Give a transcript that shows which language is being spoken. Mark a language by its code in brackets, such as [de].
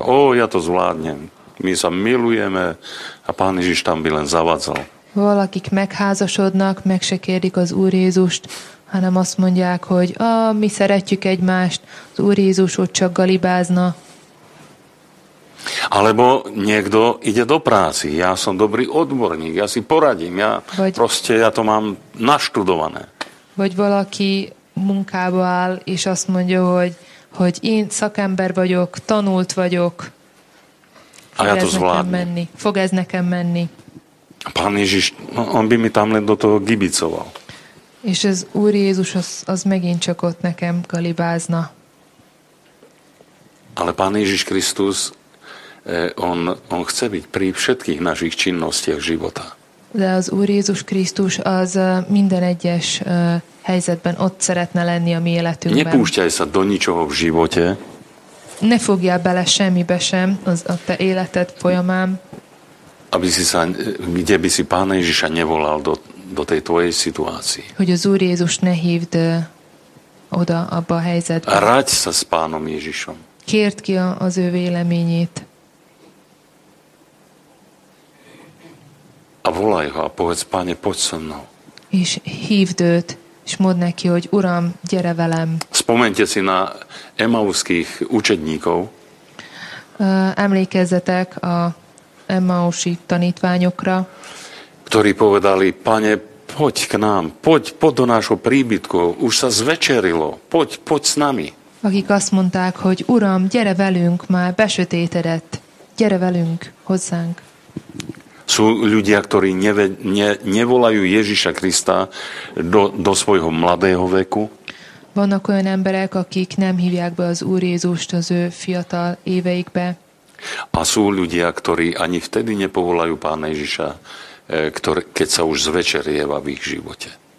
[sk] Ó, ja to zvládnem. My sa milujeme a Pán Ježiš tam by len zavadzal. [hu] Valakik megházasodnak, meg se kérdik az Úr Jézust, hanem azt mondják, hogy mi szeretjük egymást, az Úr Jézus ott csak galibázna. [sk] Alebo niekto ide do práci. Ja som dobrý odborník, ja si poradím. Ja to mám naštudované. [hu] Vagy valaki munkába áll, és azt mondja, hogy én szakember vagyok, tanult vagyok. [sk] A ja to zvládni. [hu] Fog ez nekem menni. [sk] Pán Ježiš, on by mi tam len do toho gibicoval. [hu] És az Úr Jézus az megint csak ott nekem galibázna. [sk] Ale Pán Ježiš Kristus, on chce byť pri všetkých našich činnostiach života. [hu] De az Úr Jézus Krisztus az minden egyes helyzetben ott szeretne lenni a mi életünkben. [sk] Nepúšťaj sa do ničoho v živote. [hu] Ne fogjál bele semmibe sem az a te életed folyamán. [sk] Kde by si Pána Ježiša nevolal do tej tvojej situácii. [hu] Hogy az Úr Jézus ne hívd oda abba a helyzetben. [sk] A ráď sa s Pánom Ježišom. [hu] Kérd ki az ő véleményét. [sk] A volaj ho a povedz, Páne, poď so mnou. [hu] És hívd őt, és mondd neki, hogy Uram, gyere velem. [sk] Spomente si na emauzských učedníkov. [hu] Emlékezzetek a emausi tanítványokra. [sk] Ktorí povedali, Páne, poď k nám, poď do nášho príbytku, už sa zvečerilo, poď s nami. [hu] Akik azt mondták, hogy Uram, gyere velünk, már besötétedett, gyere velünk, hozzánk. [sk] Sú ľudia, ktorí nevolajú Ježiša Krista do svojho mladého veku. [hu] Vannak olyan emberek, akik nem hívják be az Úr Jézust az ő fiatal éveikbe. [sk] A sú ľudia, ktorí ani vtedy nepovolajú Pána Ježiša, keď sa už zvečerieva v ich živote.